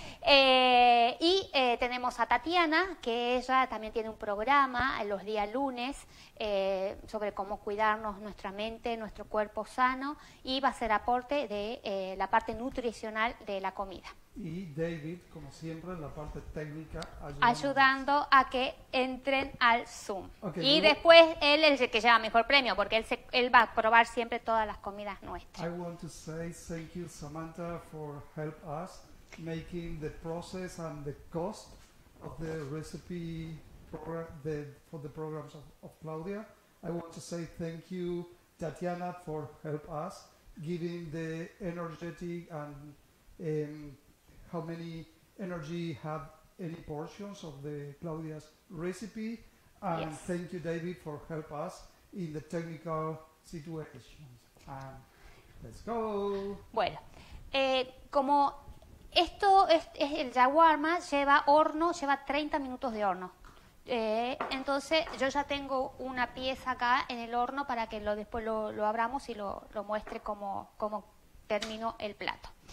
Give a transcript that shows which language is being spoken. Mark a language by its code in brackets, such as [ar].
[es] Tenemos a Tatiana, que ella también tiene un programa los días lunes sobre cómo cuidarnos nuestra mente, nuestro cuerpo sano, y va a ser aporte de la parte nutricional de la comida. Y David, como siempre, en la parte técnica, ayudando a que entren al Zoom. Okay, y después él es el que lleva mejor premio, porque él va a probar siempre todas las comidas nuestras. [en] I want to say thank you, Samantha, for help us making the process and the cost of the recipe program, for the programs of Claudia. I want to say thank you, Tatiana, for help us giving the energetic and how many energy have any portions of the Claudia's recipe. And yes. Thank you, David, for help us in the technical situations. And let's go. [es] Bueno, Como esto es el shawarma, lleva horno, lleva 30 minutos de horno. Entonces yo ya tengo una pieza acá en el horno para que después lo abramos y lo muestre cómo terminó el plato.